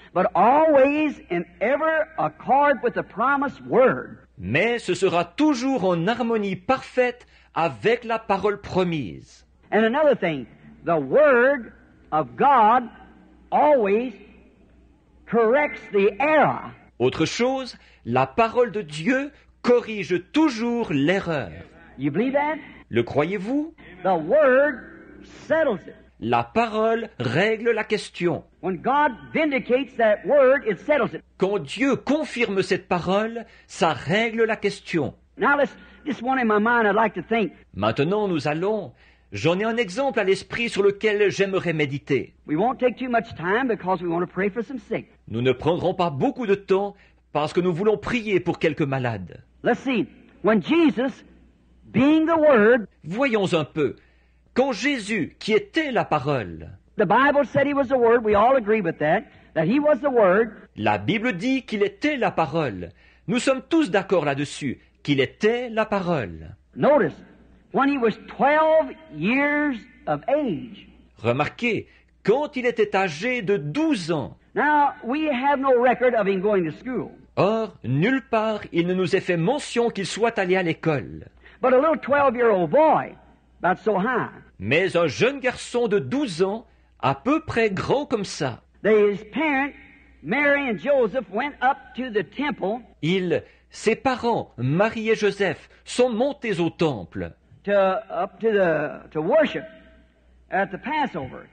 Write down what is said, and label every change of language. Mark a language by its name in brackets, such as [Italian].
[English] But always and ever accord with the promised word. [French] Mais ce sera toujours en harmonie parfaite avec la parole promise. [English] And another thing, the word of God always corrects the error. [French] Autre chose, la parole de Dieu corrige toujours l'erreur. [English] You believe that? [French] Le croyez-vous? [English] The word settles it. [French] La parole règle la question. [English] When God vindicates that word, it settles it. [French] Quand Dieu confirme cette parole, ça règle la question. [English] Now this one in my mind I'd like to think. [French] Maintenant nous allons. J'en ai un exemple à l'esprit sur lequel j'aimerais méditer. [English] We won't take too much time because we want to pray for some sick. [French] Nous ne prendrons pas beaucoup de temps parce que nous voulons prier pour quelques malades. [English] Let's see. When Jesus being the word, [French] voyons un peu. Quand Jésus, qui était la parole, [English] the Bible said he was the word, we all agree with that, that he was the word. [French] La Bible dit qu'il était la parole. Nous sommes tous d'accord là-dessus, qu'il était la parole. [English] Notice, when he was 12 years of age. [French] Remarquez, quand il était âgé de 12 ans. [English] Now, we have no record of him going to school. [French] Or, nulle part, il ne nous est fait mention qu'il soit allé à l'école. [English] But a little 12-year-old boy, about so high. [French] Mais un jeune garçon de 12 ans, à peu près grand comme ça. [English] His parents, Mary and Joseph, went up to the temple. [French] Ses parents, Marie et Joseph, sont montés au temple. [English] To worship at the Passover.